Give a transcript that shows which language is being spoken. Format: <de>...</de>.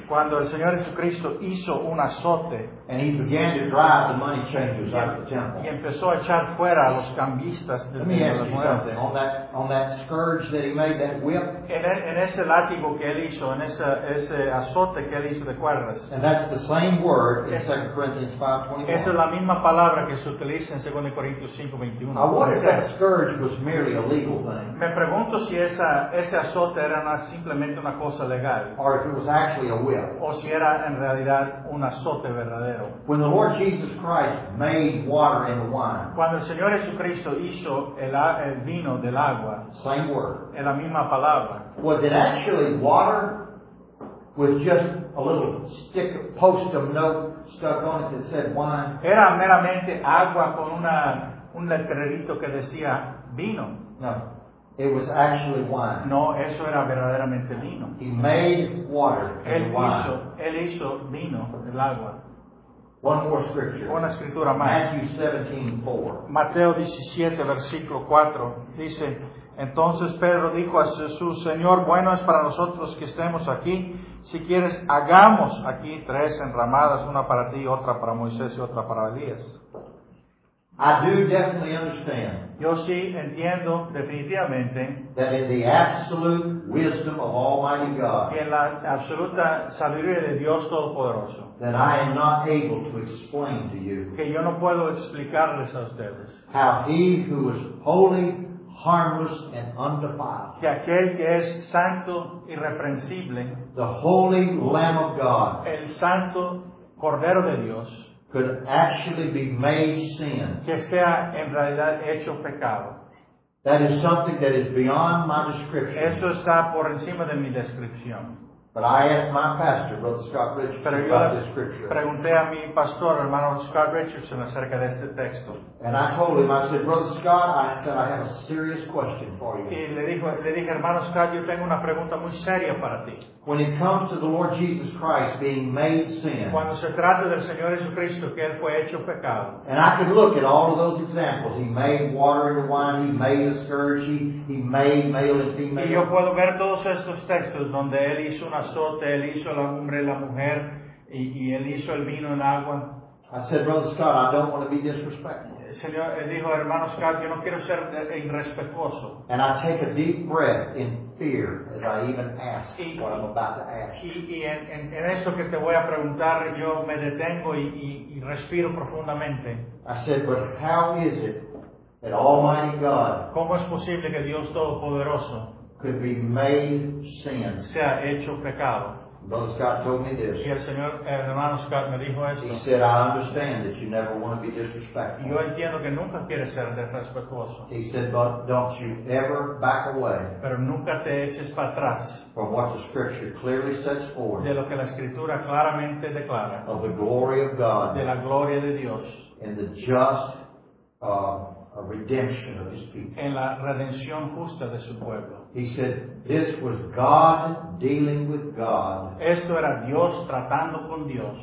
<es>cuando el Señor Jesucristo hizo un azote,</es> <en>and he began to drive the money changers out of the temple,</en> <es>y empezó a echar fuera a los cambistas del templo.</es> <en>Let me ask you something. On that scourge that he made, that whip,</en> <es>en ese látigo que él hizo, en ese azote que él hizo de cuerdas,</es> <en>and that's the same word in 2 Corinthians 5:21.</en> <es>Esa es la misma palabra que se utiliza en 2 Corintios 5:21.</es> <en>I wonder if that scourge was merely a legal thing.</en> <es>Me pregunto si ese azote era simplemente una cosa legal,</es> <en>or if it was actually a whip,</en> <es>o si era en realidad un azote verdadero.</es> <en>When the Lord Jesus Christ made water into wine,</en> <es>cuando el Señor Jesucristo hizo el vino del agua,</es> <en>same word,</en> <es>en la misma palabra,</es> <en>was it actually water with just a little stick of post-it note stuck on it that said wine?</en> <es>Era meramente agua con un letrerito que decía vino.</es> <en>No. It was actually wine.</en> <es>No, eso era verdaderamente vino.</es> <en>He made water and wine.</en> <es>Él hizo vino del agua.</es> <en>One more scripture.</en> <es>Una escritura más.</es> <en>Matthew 17:4.</en> <es>Mateo 17, versículo 4, dice, entonces Pedro dijo a Jesús, Señor, bueno es para nosotros que estemos aquí. Si quieres, hagamos aquí tres enramadas, una para ti, otra para Moisés y otra para Elías.</es> <en>I do definitely understand.</en> <es>Yo sí entiendo definitivamente</es> <en>that in the absolute wisdom of Almighty God,</en> <es>en la absoluta sabiduría de Dios Todopoderoso,</es> <en>that I am not able to explain to you,</en> <es>que yo no puedo explicarles a ustedes,</es> <en>how he who is holy, harmless and undefiled,</en> <es>que aquel que es santo y irreprensible,</es> <en>the holy Lamb of God,</en> <es>el santo Cordero de Dios,</es> <en>could actually be made sin,</en> <es>que sea en realidad hecho pecado.</es> <en>That is something that is beyond my description.</en> <es>Eso está por encima de mi descripción.</es> <en>But I asked my pastor, Brother Scott Richardson, about this scripture.</en> <es>Pregunté a mi pastor, hermano Scott Richardson, acerca de este texto.</es> <en>And I told him, I said, Brother Scott, I have a serious question for you.</en> <es>Y le dije, hermano Scott, yo tengo una pregunta muy seria para ti.</es> <en>When it comes to the Lord Jesus Christ being made sin,</en> <es>cuando se trata del Señor Jesucristo, que él fue hecho pecado,</es> <en>and I could look at all of those examples. He made water into wine. He made a scourge. He made male and female.</en> <es>Y yo puedo ver todos estos textos donde él hizo un azote, él hizo la hombre y la mujer, y él hizo el vino en agua.</es> <en>I said, Brother Scott, I don't want to be disrespectful.</en> <es>Señor, dijo, hermano Scott, yo no quiero ser irrespetuoso.</es> <en>And I take a deep breath in fear as I even ask what I'm about to ask.</en> <es>Y en esto que te voy a preguntar, yo me detengo y respiro profundamente.</es> <en>I said, but how is it that Almighty God,</en> <es>¿cómo es posible que Dios Todopoderoso,</es> <en>could be made sin,</en> <es>sea hecho pecado?</es> <en>Brother Scott told me this.</en> <es>Y el señor, el hermano Scott me dijo esto.</es> <en>He said, I understand that you never want to be disrespectful.</en> <es>Yo entiendo que nunca quieres ser desrespetuoso.</es> <en>He said, but don't you ever back away,</en> <es>pero nunca te eches para atrás,</es> <en>from what the scripture clearly sets forth,</en> <es>de lo que la escritura claramente declara,</es> <en>of the glory of God,</en> <es>de la gloria de Dios,</es> <en>and the just a redemption of his people,</en> <es>en la redención justa de su pueblo.</es> <en>He said, this was God dealing with God.</en> <es>Esto era Dios tratando con Dios.</es>